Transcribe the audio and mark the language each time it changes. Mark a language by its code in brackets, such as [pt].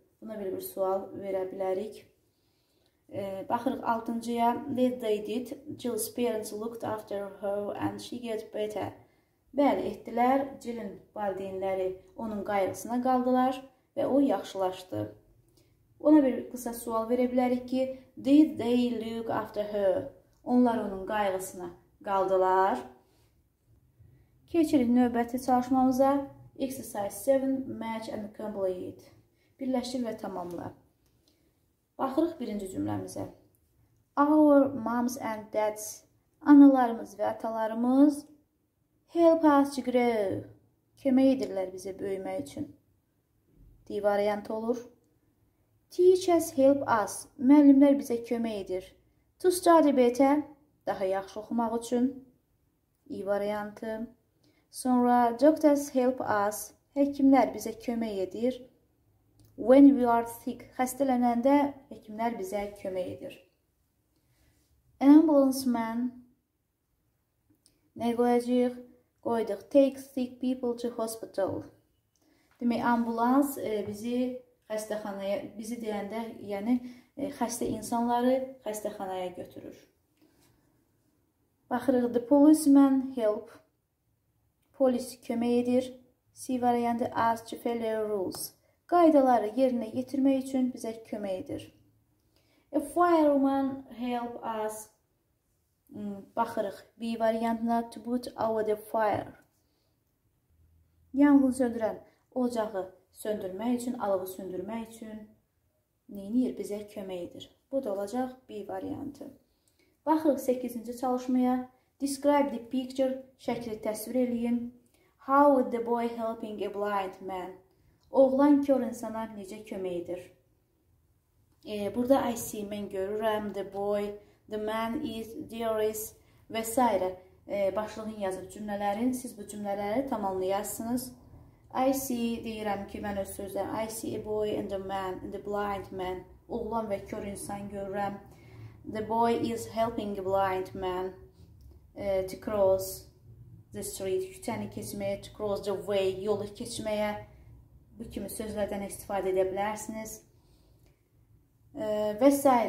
[az] Buna belə bir sual verə bilərik. Baxırıq altıncıya. [en] Did they did? Jill's parents looked after her and she got better. [az] Bəli, etdilər. Jill'in valideynləri onun qayğısına qaldılar və o yaxşılaşdı. Ona bir qısa sual verə bilərik ki, [en] Did they look after her? [az] Onlar onun qayğısına qaldılar. Keçirik növbəti çalışmamıza. [en] Exercise 7, match and complete. [az] Birləşdir və tamamla. Baxırıq birinci cümləmizə. [en] Our moms and dads, [az] analarımız və atalarımız [en] help us to grow. [az] Kömək edirlər bizə böyümək üçün. D variant olur. [en] Teachers help us. [az] Müəllimlər bizə kömək edir. [en] To study better. [az] Daha yaxşı oxumaq üçün. İ variantı. Sonra [en] doctors help us. [az] Həkimlər bizə kömək edir. [en] When we are sick. [az] Xəstələnəndə həkimlər bizə kömək edir. [en] Ambulance man. [tr] Ne koyacağız? Koyduk. [en] Take sick people to hospital. [tr] Demek ambulans bizi hastahanaya, bizi deyende yani hasta insanları hastahanaya götürür. [az] Baxırıq, [en] the policeman help. [az] Polis kömək edir. C variantı [en] as to follow rules. [az] Qaydaları yerinə yetirmək üçün bizə kömək edir. [en] A fireman help us. [az] Baxırıq, B variantına [en] to put out the fire. [az] Yanğın söndürən ocağı söndürmək üçün, alovu söndürmək üçün neyini bizə kömək edir. Bu da olacaq B variantı. Baxırıq 8-ci çalışmaya. [en] Describe the picture. [az] Şəkli təsvir edin. [en] How the boy helping a blind man? [az] Oğlan kör insana necə kömək edir? Burada [en] I see, [az] mən görürəm, [en] the boy, the man is, there is [az] və s. Başlığın yazıb cümlələrin. Siz bu cümlələri tamamlayarsınız. [en] I see, [az] deyirəm ki, mən öz sözlərim. [en] I see a boy and a man, and a blind man. [az] Oğlan və kör insan görürəm. [en] The boy is helping a blind man to cross the street, [az] küçəni keçməyə, [en] to cross the way, [az] yolu keçməyə. Bu kimi sözlərdən istifadə edə bilərsiniz. Və s.